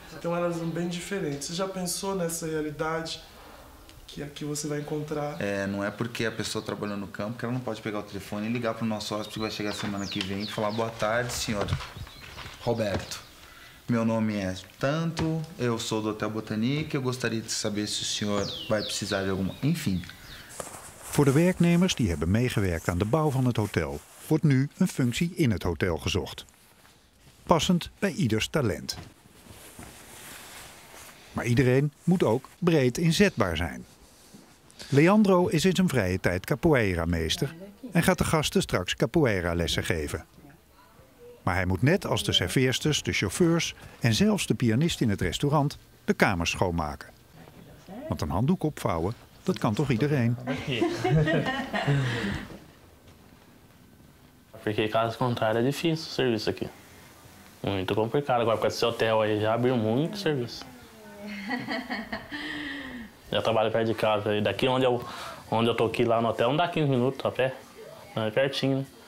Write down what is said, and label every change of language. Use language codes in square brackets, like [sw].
[pt] Então elas são bem diferentes. Você já pensou nessa realidade que você vai encontrar? É, não é porque a pessoa trabalhou no campo que ela não pode pegar o telefone e ligar para o nosso hóspede que vai chegar semana que vem e falar: boa tarde, senhor Roberto. Meu nome é tanto, eu sou do Hotel Botanique, eu gostaria de saber se o senhor vai precisar de alguma... Enfim. [nl] Voor de werknemers die hebben meegewerkt aan de bouw van het hotel, wordt nu een functie in het hotel gezocht. Passend bij ieders talent. Maar iedereen moet ook breed inzetbaar zijn. Leandro is in zijn vrije tijd capoeira-meester en gaat de gasten straks capoeira-lessen geven. Maar hij moet net als de serveersters, de chauffeurs en zelfs de pianist in het restaurant de kamers schoonmaken. Want een handdoek opvouwen, dat kan toch iedereen? [pt] Porque caso contrário é difícil o serviço aqui. Muito complicado. Agora com esse hotel aí já abriu muito serviço. Já trabalho perto de casa. E daqui onde eu tô aqui lá no hotel, não dá 15 minutos a pé. É pertinho, né?